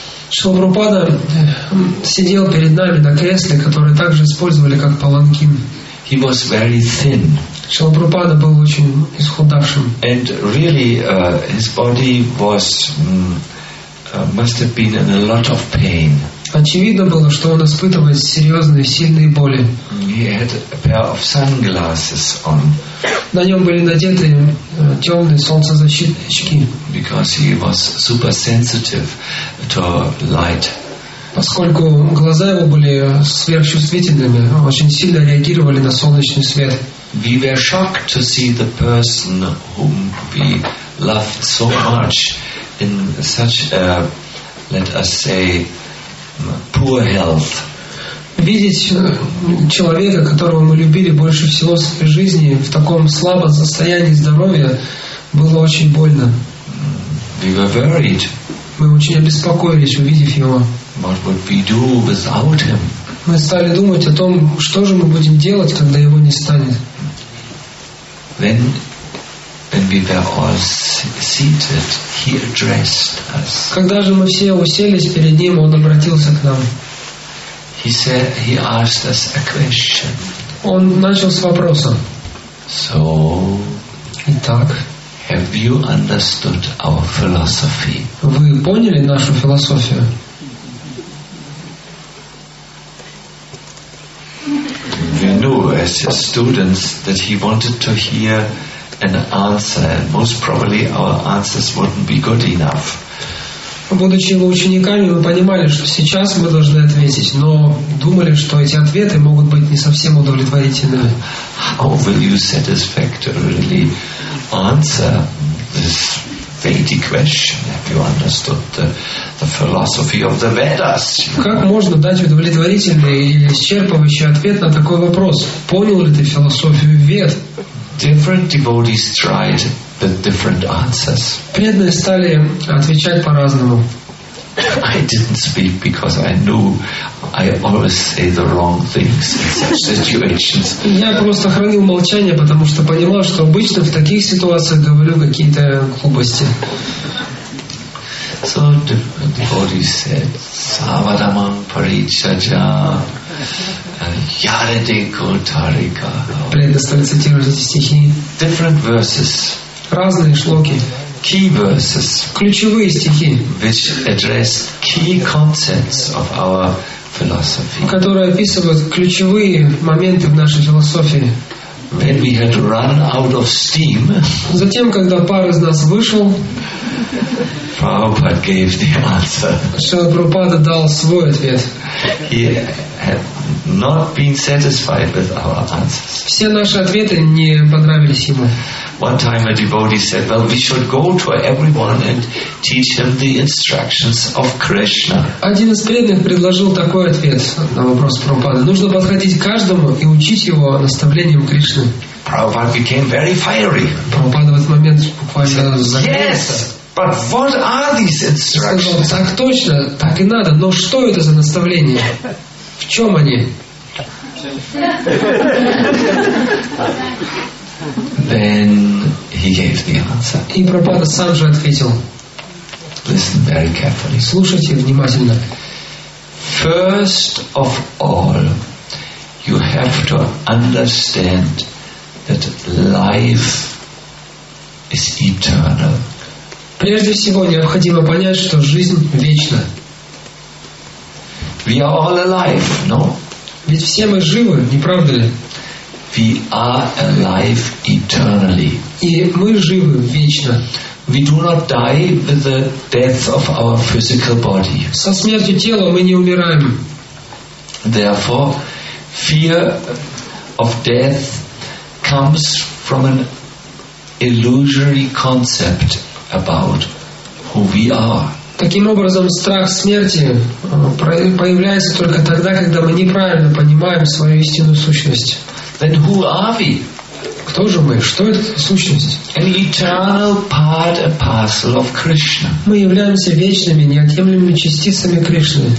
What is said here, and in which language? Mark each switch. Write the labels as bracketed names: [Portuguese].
[Russian] Шрила Прабхупада сидел перед нами на кресле, которое также использовали как паланкин. [English] He was very thin. [Russian] Шрила Прабхупада был очень исхудавшим. [English] And really, his body was must have been in a lot of pain. [Russian] Очевидно было, что он испытывает серьезные, сильные боли. [English] He had a pair of sunglasses on. [Russian] На нем были надеты темные солнцезащитные очки. [English] Because he was super sensitive to light. [Russian] Поскольку глаза его были сверхчувствительными, очень сильно реагировали на солнечный свет. [English] We were shocked to see the person whom we loved so much in such a, let us say, poor health. [Russian] Видеть человека, которого мы любили больше всего в своей жизни, в таком слабом состоянии здоровья, было очень больно. [English] We were worried. [Russian] Мы очень обеспокоились, увидев его. [English] What would we do without him? [Russian] Мы стали думать о том, что же мы будем делать, когда его не станет. [English] When we were all seated, he addressed us. [Russian] Когда же мы все уселись перед ним, он обратился к нам. [English] He said, he asked us a question. [Russian] Он начал с вопроса. [English] So, [Russian] итак, [English] have you understood our philosophy? [Russian] Вы поняли нашу философию? [English] As his students, that he wanted to hear an answer, and most probably our answers wouldn't be good enough. [Russian] Будучи его учениками, мы понимали, что сейчас мы должны ответить, но думали, что эти ответы могут быть не совсем удовлетворительными. [English] How will you satisfactorily answer this Vedic question? Have you understood the philosophy of the Vedas? [Russian] Как можно дать удовлетворительный или исчерпывающий ответ на такой вопрос? Понял ли ты философию Вед? [English] Different devotees tried the different answers. [Russian] Преданные стали отвечать по-разному. [English] I didn't speak because I knew I always say the wrong things in such situations. [Russian] Я просто хранил молчание, потому что понимал, что обычно в таких ситуациях говорю какие-то глупости. [English] So the body said, Savadaman Parichaja, Yarede Kotarika. [Russian] Предоставил цитировать эти стихи. [English] Different verses. [Russian] Разные шлоки. [English] Key verses, [Russian] ключевые стихи, [English] which address key concepts of our philosophy, [Russian] которые описывают ключевые моменты в нашей философии. [English] When we had run out of steam, [Russian] затем, когда пар из нас вышел, [English] Prabhupada gave the answer. [Russian] Шрила Прабхупада дал свой ответ. [English] He had not been satisfied with our answers. [Russian] Все наши ответы не понравились ему. [English] One time a devotee said, well, we should go to everyone and teach him the instructions of Krishna. [Russian] Один из преданных предложил такой ответ на вопрос Прабхупады. Нужно подходить к каждому и учить его наставлениям Кришны. [English] Prabhupada became very fiery. [Russian] Прабхупада в этот момент буквально загорелся. [English] Yes, but what are these instructions? [Russian] Сказал, так точно, так и надо. Но что это за наставления? В чем они? [English] Then he gave the answer. [Russian] И Прабхупада сам же ответил. [English] Listen very carefully. [Russian] Слушайте внимательно. [English] First of all, you have to understand that life is eternal. [Russian] Прежде всего необходимо понять, что жизнь вечна. [English] We are all alive, no? [Russian] Ведь все мы живы, не правда ли? [English] We are alive eternally. [Russian] И мы живы вечно. [English] We do not die with the death of our physical body. [Russian] Со смертью тела мы не умираем. [English] Therefore, fear of death comes from an illusory concept about who we are. [Russian] Таким образом, страх смерти появляется только тогда, когда мы неправильно понимаем свою истинную сущность. [English] Then who are we? [Russian] Кто же мы? Что это сущность? [English] An eternal part and parcel of Krishna. [Russian] Мы являемся вечными, неотъемлемыми частицами Кришны.